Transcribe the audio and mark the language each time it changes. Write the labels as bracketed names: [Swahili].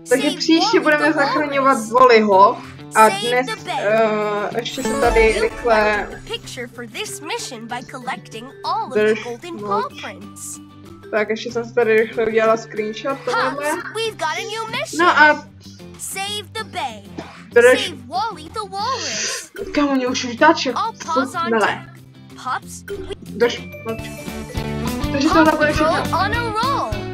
[Czech] save příště budeme zachraňovat Wallyho. A dnes, ještě se tady rychle [English] picture for this mission by collecting all of the golden paw prints. [Czech] Tak ještě jsem se tady rychle udělala screenshot tohle. [English] We've got a new mission. [Czech] No a [English] save the bay. [Czech] Drž. [English] Save Wally the walrus. Come on, you should touch it. [Czech] Pops. Drž. Drž. Takže tohle bude všechno.